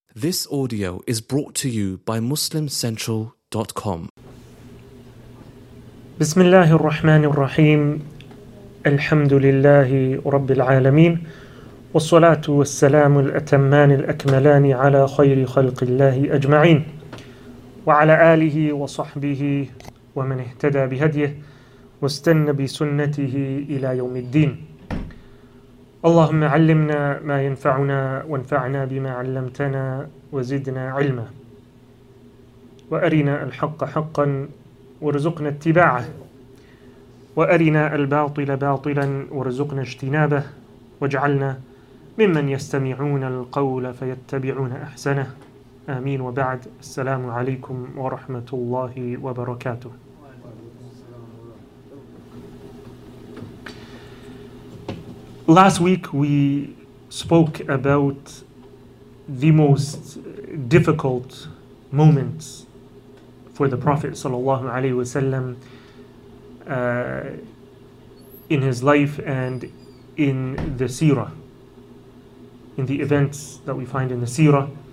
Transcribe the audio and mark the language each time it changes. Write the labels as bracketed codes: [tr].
[en] This audio is brought to you by MuslimCentral.com. [ar] بسم الله الرحمن الرحيم. الحمد لله رب العالمين، والصلاة والسلام الأتمان الأكملان على خير خلق الله أجمعين، وعلى آله وصحبه ومن اهتدى بهديه واستنى بسنته إلى يوم الدين. اللهم علمنا ما ينفعنا وانفعنا بما علمتنا وزدنا علما وأرنا الحق حقا وارزقنا اتباعه وأرنا الباطل باطلا وارزقنا اجتنابه واجعلنا ممن يستمعون القول فيتبعون أحسنه آمين وبعد. السلام عليكم ورحمة الله وبركاته. [en] Last week we spoke about the most difficult moments for the Prophet sallallahu alaihi wasallam in his life and in the seerah, in the events that we find in the seerah.